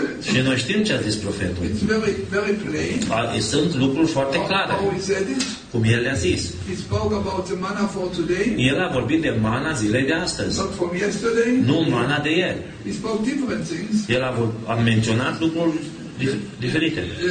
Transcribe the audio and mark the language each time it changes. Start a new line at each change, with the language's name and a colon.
Romanian: Și noi știm ce a zis profetul.
English: It's very, very plain.
Romanian: Sunt lucruri foarte clare. Cum el le-a zis.
English: He spoke about the manna for today.
Romanian: El a vorbit de mana zilei de astăzi.
English: Not from yesterday.
Romanian: Nu mana de ieri.
English: He spoke different things.
Romanian: El a menționat lucruri diferite.